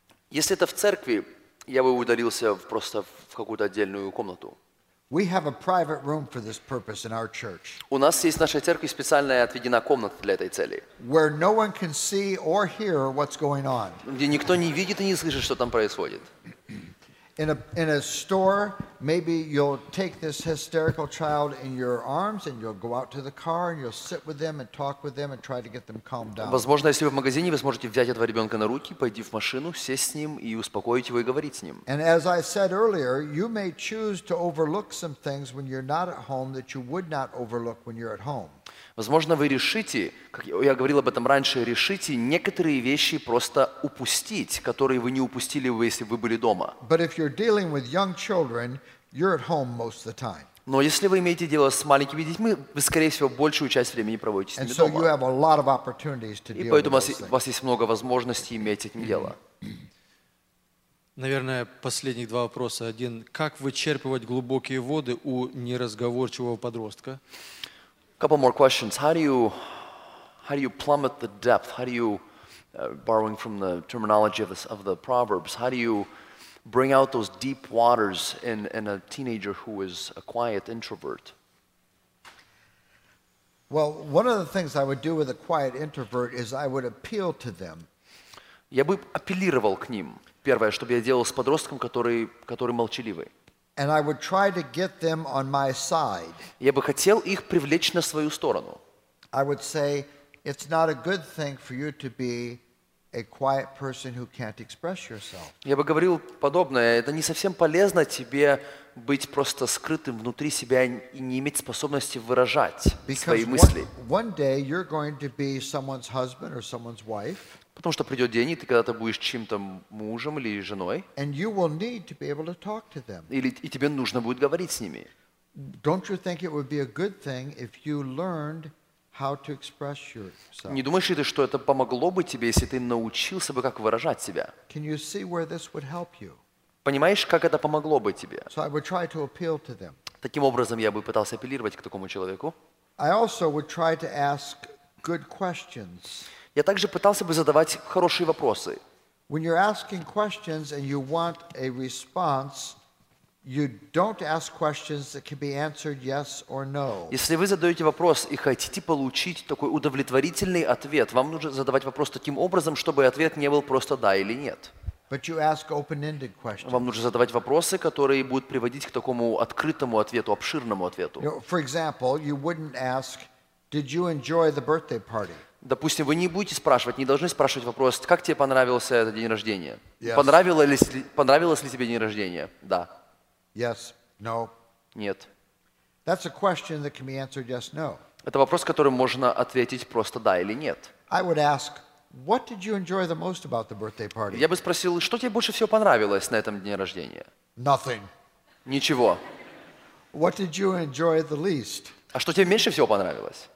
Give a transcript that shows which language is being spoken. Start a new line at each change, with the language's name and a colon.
Russian: Если это в церкви, я бы удалился просто в какую-то отдельную комнату.
English: We have a private room for this purpose in our church.
Russian: У нас есть в нашей церкви специальная отведена комната для этой цели.
English: Where no one can see or hear what's going on.
Russian: Где никто не видит и не слышит, что там происходит.
English: In a store, maybe you'll take this hysterical child in your arms and you'll go out to the car and you'll sit with them and talk with them and try to get them calmed down.
Russian: Возможно, если вы в магазине, вы сможете взять этого ребенка на руки, пойти в машину, сесть с ним и успокоить его и говорить с ним.
English: And as I said earlier, you may choose to overlook some things when you're not at home that you would not overlook when you're at home.
Russian: Возможно, вы решите, как я говорил об этом раньше, решите некоторые вещи просто упустить, которые вы не упустили бы, если вы были дома.
English: Children,
Russian: но если вы имеете дело с маленькими детьми, вы, скорее всего, большую часть времени проводите с ними
English: so
Russian: дома. И поэтому у вас есть много возможностей иметь с этим дело. Наверное, последних 2 вопроса. Один, как вычерпывать глубокие воды у неразговорчивого подростка?
English: Couple more questions. How do you plummet the depth? How do you, borrowing from the terminology of the Proverbs, how do you bring out those deep waters in a teenager who is a quiet introvert? Well, one of the things I would do with a quiet introvert is I would appeal to them.
Russian: Я бы апеллировал к ним. Первое, что бы я делал с подростком, который молчаливый.
English: And I would try to get them on my side.
Russian: Я бы хотел их привлечь на свою сторону.
English: I would say it's not a good thing for you to be a quiet person who can't express yourself.
Russian: Я бы говорил подобное. Это не совсем полезно тебе быть просто скрытым внутри себя и не иметь способности выражать свои мысли.
English: One day you're going to be someone's husband or someone's wife.
Russian: Потому что придет день, и ты когда-то будешь чьим-то мужем или женой.
English: And you will need to be able to talk to them.
Russian: Или и тебе нужно будет говорить с ними.
English: Don't you think it would be a good thing if you learned how to express yourself?
Russian: Не думаешь ли ты, что это помогло бы тебе, если ты научился бы, как выражать себя?
English: Can you see where this would help you?
Russian: Понимаешь, как это помогло бы тебе?
English: So I would try to appeal to them.
Russian: Таким образом, я бы пытался апеллировать к такому человеку.
English: I also would try to ask good questions.
Russian: Я также пытался бы задавать хорошие вопросы.
English: When you're asking questions and you want a response, you don't ask questions that can be answered yes or no.
Russian: Если вы задаете вопрос и хотите получить такой удовлетворительный ответ, вам нужно задавать вопрос таким образом, чтобы ответ не был просто да или нет.
English: But you ask open-ended questions.
Russian: Вам нужно задавать вопросы, которые будут приводить к такому открытому ответу, обширному ответу.
English: You know, for example, you wouldn't ask, "Did you enjoy the birthday party?"
Russian: Допустим, вы не будете спрашивать, не должны спрашивать вопрос, как тебе понравился этот день рождения?
English: Yes.
Russian: Понравилось ли тебе день рождения? Да.
English: Yes. No.
Russian: Нет.
English: That's a question that can be answered yes, no.
Russian: Это вопрос, которым можно ответить просто да или нет.
English: I would ask, what did you enjoy the most about the birthday party?
Russian: Я бы спросил, что тебе больше всего понравилось на этом дне рождения?
English: Nothing.
Russian: Ничего.
English: What did you enjoy the least?
Russian: А что тебе меньше всего понравилось?